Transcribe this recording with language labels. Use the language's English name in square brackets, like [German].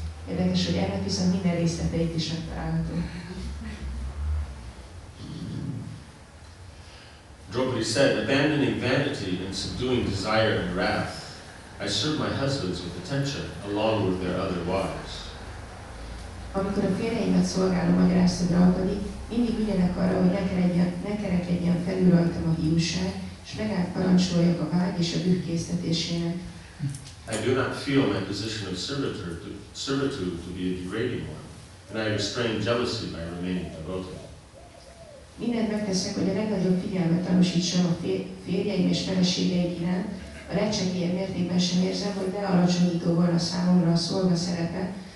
[Hungarian] Érdekes, hogy ennek viszont minden részleteit is megtalálható. [English] Draupadi said, abandoning vanity and subduing desire and wrath, I serve my husbands with attention, along with their other wives. [Hungarian] Amikor a férjeimet szolgálom, magyarázta Draupadi, mindig ügyelek arra, hogy ne kerekedjen felül rajtam a hiúság, és megállt parancsoljak a vágy és a düh késztetésének. [English] I do not feel my position of servitude to be a degrading one, and I restrain jealousy by remaining devoted. [Hungarian] Mindent megteszek, hogy a legnagyobb figyelmet tanúsítsam a férjeim és feleségeim iránt, a lecsegélyebb mértékben sem érzem, hogy lealacsonyító volna számomra a szolga szerepe.